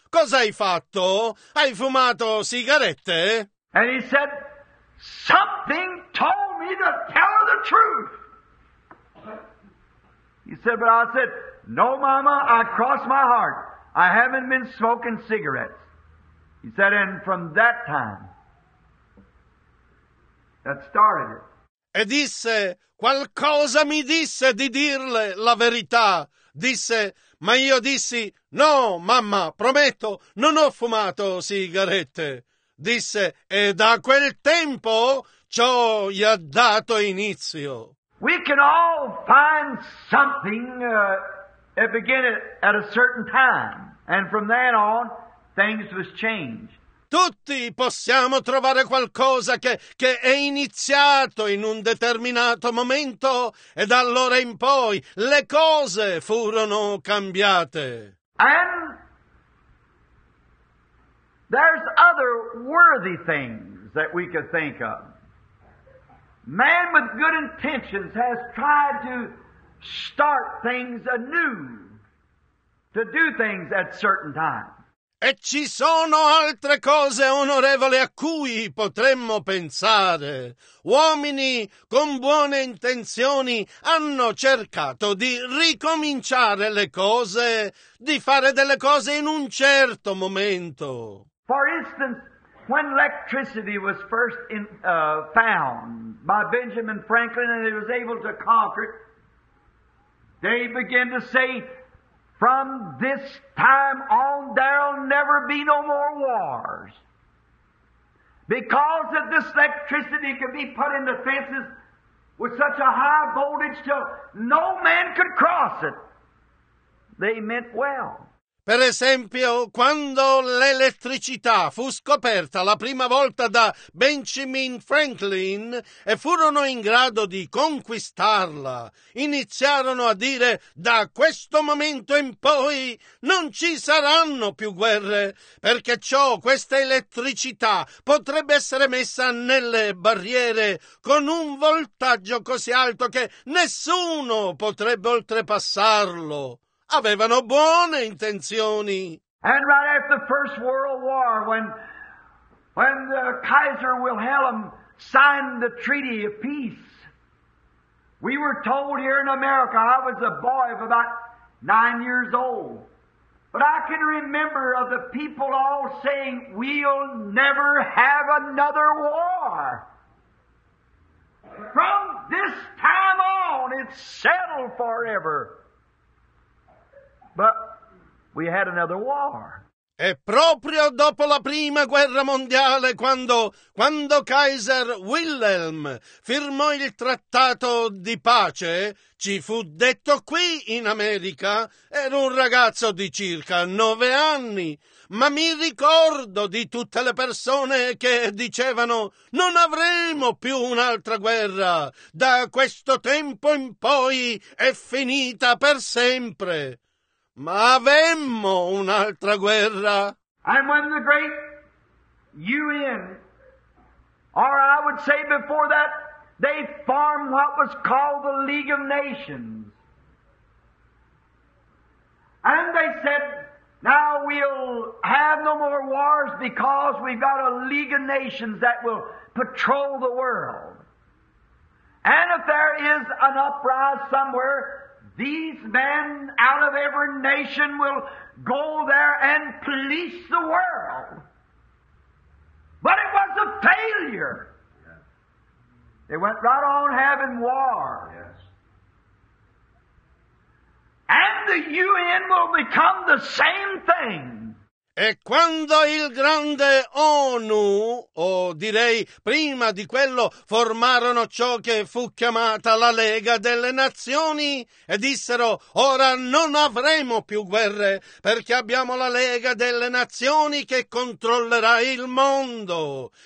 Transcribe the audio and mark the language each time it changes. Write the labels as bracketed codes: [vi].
[it] Cosa hai fatto? Hai fumato sigarette? [en] And he said, something told me to tell her the truth. He said, but I said, no, mama, I crossed my heart. I haven't been smoking cigarettes. He said, and from that time, that started it. [it] E disse, qualcosa mi disse di dirle la verità. Disse, ma io dissi, no, mamma, prometto, non ho fumato sigarette. Disse, e da quel tempo ciò gli ha dato inizio. [en] We can all find something and begin it at a certain time. And from then on, things was changed. [it] Tutti possiamo trovare qualcosa che è iniziato in un determinato momento, e da allora in poi le cose furono cambiate. [en] And there's other worthy things that we could think of. Man with good intentions has tried to start things anew, to do things at certain times. [it] E ci sono altre cose onorevoli a cui potremmo pensare. Uomini con buone intenzioni hanno cercato di ricominciare le cose, di fare delle cose in un certo momento. [en] For instance, when electricity was first found by Benjamin Franklin and he was able to conquer it, they began to say, from this time on there'll never be no more wars. Because of this electricity could be put into fences with such a high voltage till no man could cross it. They meant well. [it] Per esempio, quando l'elettricità fu scoperta la prima volta da Benjamin Franklin e furono in grado di conquistarla, iniziarono a dire: da questo momento in poi non ci saranno più guerre, perché ciò, questa elettricità, potrebbe essere messa nelle barriere con un voltaggio così alto che nessuno potrebbe oltrepassarlo. Avevano buone intenzioni. [en] And right after the First World War, when the Kaiser Wilhelm signed the Treaty of Peace, we were told here in America, I was a boy of about 9 years old, but I can remember of the people all saying, we'll never have another war. From this time on, it's settled forever. But we had another war. [it] E proprio dopo la prima guerra mondiale, quando Kaiser Wilhelm firmò il trattato di pace, ci fu detto qui in America, ero un ragazzo di circa 9 anni, ma mi ricordo di tutte le persone che dicevano: non avremo più un'altra guerra, da questo tempo in poi è finita per sempre. Ma avemmo un'altra guerra. [en] And when the great UN, or I would say before that, they formed what was called the League of Nations. And they said, now we'll have no more wars because we've got a League of Nations that will patrol the world. And if there is an uprise somewhere, these men out of every nation will go there and police the world. But it was a failure. Yes. They went right on having war. Yes. And the UN will become the same thing. [it] E quando il grande ONU, o direi prima di quello, formarono ciò che fu chiamata la Lega delle Nazioni e dissero: ora non avremo più guerre perché abbiamo la Lega delle Nazioni che controllerà il mondo.